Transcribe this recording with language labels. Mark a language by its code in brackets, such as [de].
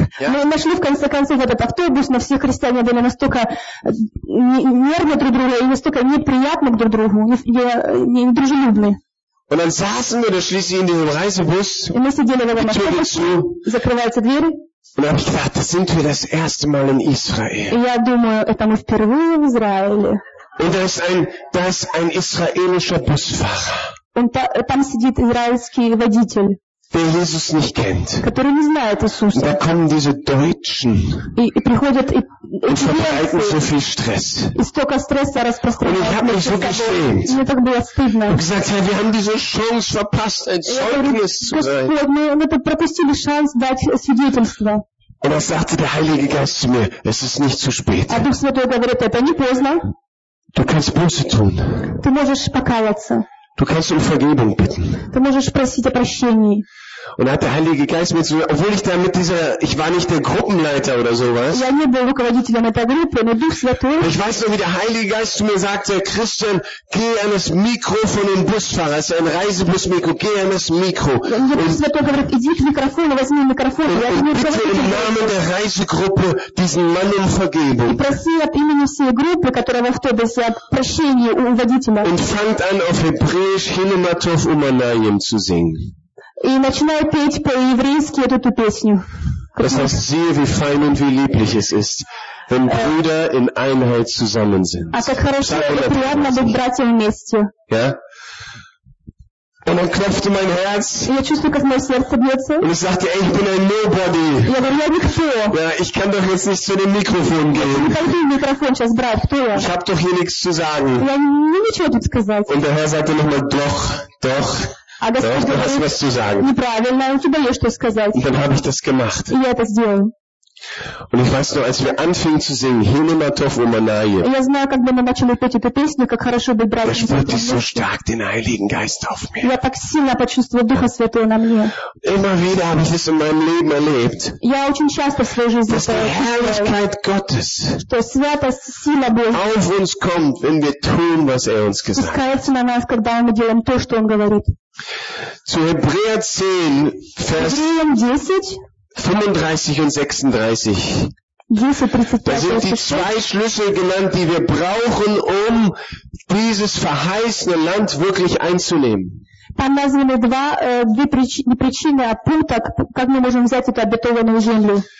[de] Wir haben am Ende diesen Autobus und alle Christen waren [ru] настолько нервно друг друга и настолько неприятно друг другу, не дружелюбны. [de] Und dann saßen wir schließlich in diesem Reisebus. [ru] И мы сидели в этом автобусе, закрываются двери. [de] Und dann habe ich gedacht, sind wir das erste Mal in Israel. [ru] Я думаю, это мы впервые в Израиле. [de] Und da ist ein israelischer Busfahrer. [ru] Und там сидит израильский водитель. [de] Der Jesus nicht kennt. [ru] Который не знает Иисуса. [de] Da kommen diese Deutschen. [ru] И приходят [de] und verbreiten so viel Stress. [ru] Ist столько стресса распространяют. [de] Und ich habe mich so geschämt. [ru] Мне так было стыдно. [de] Und gesagt, Herr, wir haben diese Chance verpasst, ein Zeugnis zu sein. [ru] Мы пропустили шанс дать свидетельство. [de] Und dann sagte der Heilige Geist zu mir, es ist nicht zu spät. [ru] А Дух Святой говорит, это не поздно. [de] Du kannst Buße tun. [ru] Ты можешь покаяться. [de] Du kannst um Vergebung bitten. [ru] Ты можешь просить о прощении. [de] Und hat der Heilige Geist mir zu, obwohl ich da mit dieser, ich war nicht der Gruppenleiter oder sowas. [ru] Я не был руководителем этой группы, но Дух Святой. [de] Ich weiß noch, wie der Heilige Geist zu mir sagte, Christian, geh an das Mikro von dem Busfahrer, es ist ein Reisebusmikro, geh an das Mikro. [ru] Дух Святой говорит, иди к микрофону, возьми микрофон. [de] Und bitte im Namen der Reisegruppe diesen Mann um Vergebung. [ru] И проси от имени всей группы, которая в автобусе, о прощении у водителя. [de] Und fangt an, auf Hebräisch Hinematov Umanayim zu singen. [ru] И начинаю петь по-еврейски эту песню. [de] Das heißt, siehe, wie fein und wie lieblich es ist, wenn Brüder in Einheit zusammen sind. [ru] А как хорошо и приятно быть братьями вместе. [de] Ja? Und dann klopfte mein Herz. [ru] Я чувствую, как мое сердце бьется. [de] Und ich sagte, ey, ich bin ein nobody. [ru] Я говорю, я никто. [de] Ja, ich kann doch jetzt nicht zu dem Mikrofon gehen. [ru] Я не пойду в микрофон сейчас брать, кто я? [de] Ich hab doch hier nichts zu sagen. [ru] Я не ничего тут сказать. [de] Und der Herr sagte nochmal, doch, doch. [ru] А Господь неправильно, у тебя есть что сказать. [de] Und dann habe ich das gemacht. [ru] И я это сделал. [de] Und ich weiß noch, als wir anfingen zu singen, Hinematov Umanayim. [ru] Я знаю, когда мы начали петь эту песню, как хорошо быть братьями. [de] Da spürte ich so stark den Heiligen Geist auf mir. [ru] Я так сильно почувствовал Духа Святого на мне. [de] Immer wieder habe ich das in meinem Leben erlebt. [ru] Я очень часто в своей жизни. [de] Dass die Herrlichkeit Gottes. [ru] Что святость сила Божья. [de] Auf uns kommt, wenn wir tun, was er uns gesagt. [ru] Спускается на нас, когда мы делаем то, что он говорит. [de] Zu Hebräer 10, Vers 35 und 36. Da sind die zwei Schlüssel genannt, die wir brauchen, um dieses verheißene Land wirklich einzunehmen. [ru] Там названы две причины, а пункта, как мы можем взять эту обетованную землю.